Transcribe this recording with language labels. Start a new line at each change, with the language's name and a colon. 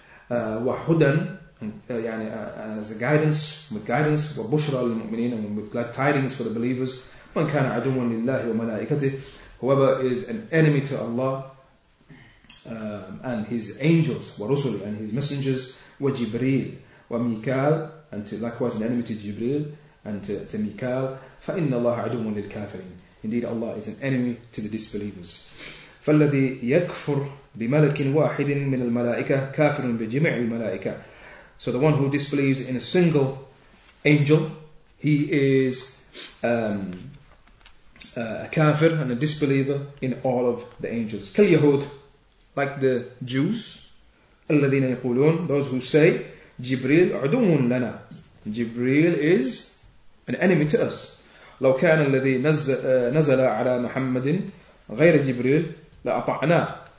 Arabic: وحدا,
English: يعني as a guidance, with guidance,
Arabic: وبشرى للمؤمنين,
English: and with glad tidings for the believers,
Arabic: من كان عدوا لله وملائكته,
English: whoever is an enemy to Allah, and his angels,
Arabic: ورسل,
English: and his messengers,
Arabic: وجبريل,
English: وميكال, and to likewise an enemy to Jibril and to Mikal.
Arabic: فإن الله عدو للكافرين.
English: Indeed, Allah is an enemy to the disbelievers.
Arabic: فالذي يكفر بملك واحد من الملائكة كافر بجميع الملائكة.
English: So the one who disbelieves in a single angel, he is a kafir and a disbeliever in all of the angels.
Arabic: كل يهود,
English: like the Jews,
Arabic: الذين يقولون,
English: those who say
Arabic: جبريل عدو لنا.
English: Jibril is an enemy to us.
Arabic: لو كان الذي نزل على محمد غير جبريل لأطعناه.